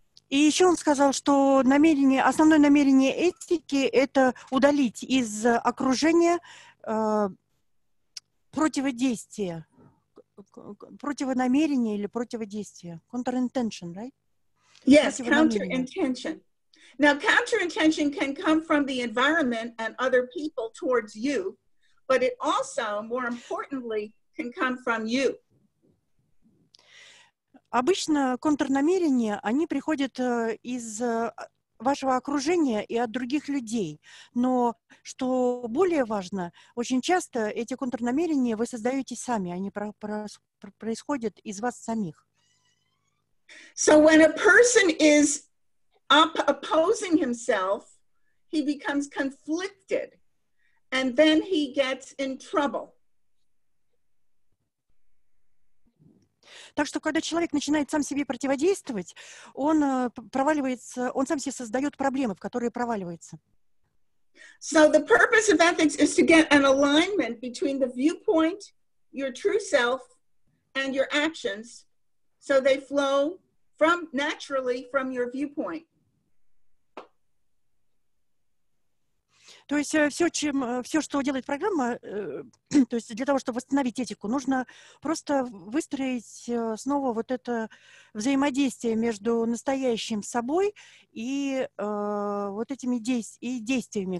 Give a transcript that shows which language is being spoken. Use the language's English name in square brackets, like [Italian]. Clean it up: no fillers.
[Russian] И еще он сказал, что намерение, основное намерение этики – это удалить из окружения противодействие, противонамерение или противодействие. [English] Counterintention, right? Yes, counterintention. Now, counterintention can come from the environment and other people towards you, but it also, more importantly, can come from you. [Russian] Обычно контрнамерения, они приходят из вашего окружения и от других людей. Но, что более важно, очень часто эти контрнамерения вы создаете сами, они происходят из вас самих. [English] So when a person is opposing himself, he becomes conflicted, and then he gets in trouble. [Russian] Так что, когда человек начинает сам себе противодействовать, он проваливается, он сам себе создает проблемы, в которые проваливается. [English] So the purpose of ethics is to get an alignment between the viewpoint, your true self, and your actions, so they flow from naturally from your viewpoint. [Russian] То есть все, что делает программа, то есть для того, чтобы восстановить этику, нужно просто выстроить снова вот это взаимодействие между настоящим собой и вот этими действиями.